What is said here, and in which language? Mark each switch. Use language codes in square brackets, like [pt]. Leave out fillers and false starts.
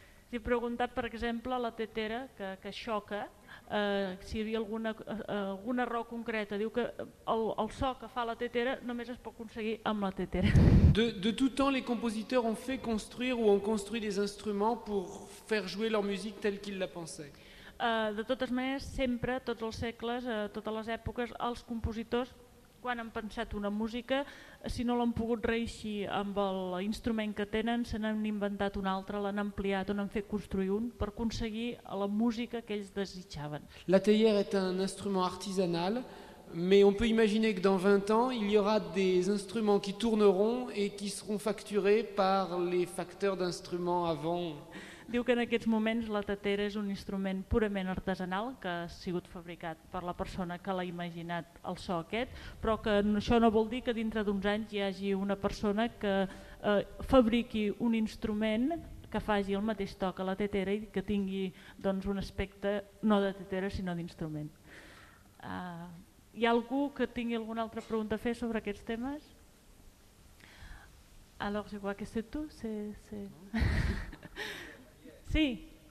[fr] J'ai [ca] preguntat, [fr] par exemple, la tétère, que choque. [ca] Si hi havia alguna raó concreta, diu que el so que fa la tétera només es pot aconseguir amb la tétera. [fr] De tout temps les compositeurs ont fait construire ou ont construit des instruments pour faire jouer leur musique telle qu'ils la pensaient. [ca] De totes maneres, sempre, tots els segles, totes les èpoques, els compositors quan han pensat una música, si no l'han pogut reeixir amb l'instrument que tenen, se n'han inventat un altre, l'han ampliat o n'han fet construir un per aconseguir la música que ells desitjaven. [fr] La théière est un instrument artisanal, mais on peut imaginer que dans 20 ans, il y aura des instruments qui tourneront et qui seront facturés par les facteurs d'instruments avant. [ca] Diu que en aquests moments la tetera és un instrument purament artesanal que ha sigut fabricat per la persona que l'ha imaginat el so aquest, però que això no vol dir que dintre d'uns anys hi hagi una persona que fabriqui un instrument que faci el mateix to que la tetera i que tingui doncs, un aspecte no de tetera sinó d'instrument. Hi ha algú que tingui alguna altra pregunta a fer sobre aquests temes? [fr] Alors, je vois que c'est tout, c'est... [ca] Sí.